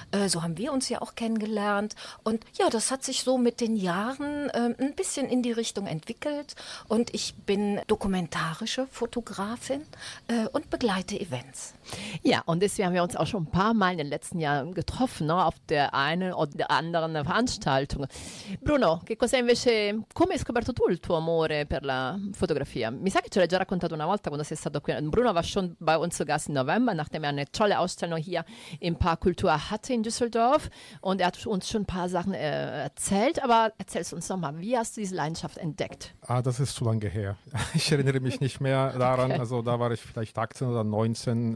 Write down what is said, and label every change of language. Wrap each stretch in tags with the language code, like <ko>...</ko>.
<de>So haben wir uns ja auch kennengelernt. Und ja, das hat sich so mit den Jahren ein bisschen in die Richtung entwickelt. Und ich bin dokumentarische Fotografin und begleite Events. Ja, und deswegen haben wir uns auch schon ein paar Mal in den letzten Jahren getroffen, ne, auf der einen oder anderen Veranstaltung.</de> <it>Bruno, che cosa invece, come hai scoperto tu il tuo amore per la fotografia? Mi sa che ce l'hai già raccontato una volta quando sei stato qui.</it> <de>Bruno war schon bei uns zu Gast im November, nachdem er eine tolle Ausstellung hier im Park Kultur hatte in Düsseldorf. Und er hat uns schon ein paar Sachen erzählt. Aber erzähl es uns nochmal, wie hast du diese Leidenschaft entdeckt? Ah, das ist zu lange her. Ich erinnere mich nicht mehr daran. Okay. Also da war ich vielleicht 18 oder 19.</de>